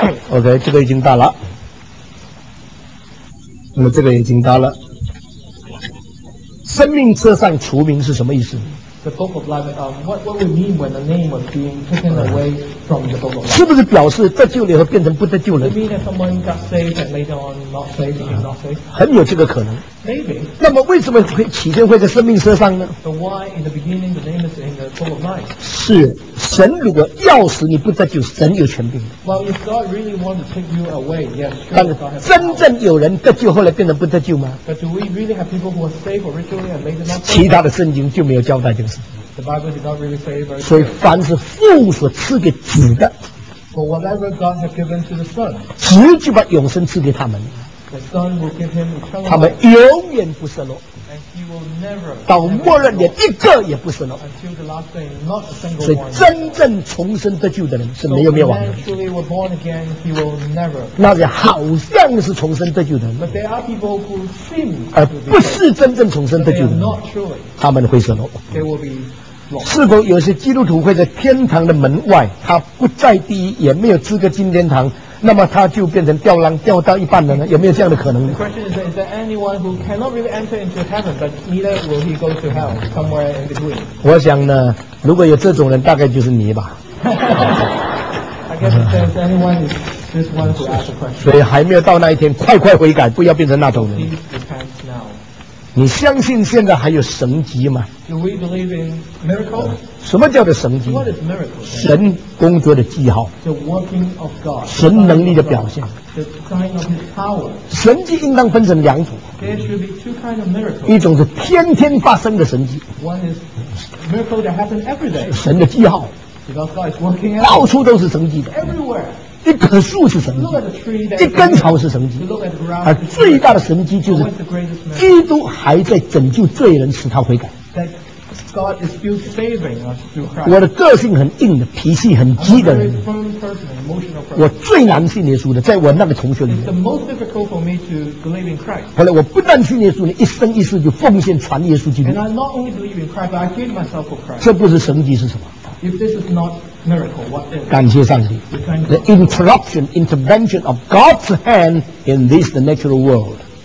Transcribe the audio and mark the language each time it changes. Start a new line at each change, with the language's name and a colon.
Chinese: OK 这个已经答了那么这个已经答了生命册上除名是什么意思
English: The book of life, what we mean when the name was being taken away from the book of life?
Chinese: 是不是表示得救了以后变成不得救了
English: Do you mean that someone got saved and later on not saved, became not saved?
Chinese: 很有这个可能
English: Maybe.
Chinese: 那么为什么起先会在生命册上呢
English: So why in the beginning the name is in the book of life?
Chinese: 是神如果要使你不得救神有权柄
English: Well, if God really wants to take you away, yes, sure,
Chinese: 但真正有人得救后来变成不得救吗
English: But do we really have people who are saved originally and later not saved?
Chinese: 其他的圣经就没有交代这个事
English: The Bible did not really say it very clear.
Chinese: 所以凡是父所赐给子的
English: For whatever God has given to the Son
Chinese: 子就把永生赐给他们
English: The Son will give him eternal life
Chinese: 他们永远不失落到末日连一个也不是了
English: day,
Chinese: 所以真正重生得救的人是没有灭亡的、
English: so、born again, he will never.
Chinese: 那些好像是重生得救的人
English: But there are people who seem to be
Chinese: 而不是真正重生得救的人
English: they are not truly,
Chinese: 他们会失落
English: they will be lost.
Chinese: 是否有些基督徒会在天堂的门外他不在第一也没有资格进天堂那么他就变成吊浪吊到一半了呢有没有这样的可能呢
English: The question is there anyone who cannot really enter into heaven but neither will he go to hell somewhere in between
Chinese: 我想呢如果有这种人大概就是你吧
English: I guess if there's anyone who just wants to ask a question
Chinese: 所以还没有到那一天快快悔改不要变成那种人
English: Please repent now
Chinese: 你相信现在还有神迹吗
English: Do we believe in miracles?
Chinese: 什么叫做神迹
English: What is miracle,
Chinese: 神工作的记号
English: the working of God,
Chinese: 神能力的表现
English: the sign of his power.
Chinese: 神迹应当分成两种
English: There should be two kind of miracles.
Chinese: 一种是天天发生的神迹
English: One is miracle that happens every day.
Chinese: 神的记号
English: Because God is working
Chinese: out. 到处都是神迹的
English: Everywhere.
Chinese: 一棵树是神迹
English: look at the tree that
Chinese: 一根草是神迹
English: look at the ground,
Chinese: 而最大的神迹就是
English: the greatest miracle?
Chinese: 基督还在拯救罪人使他悔改
English: That God is still saving us through Christ.
Chinese: 我的个性很硬的，脾气很急的人。
English: I'm a very firm person, emotional person.
Chinese: 我最难信耶稣的，在我那个同学里面。
English: It's the most difficult for me to believe in Christ.
Chinese: 后来我不但信耶稣，一生一世就奉献传耶稣基督。
English: And I not only believe in Christ, but I give myself for Christ.
Chinese: 这不是神迹是什么？
English: If this is not miracle, what is?
Chinese: 感谢上帝。
English: The interruption, intervention of God's hand in this the natural world.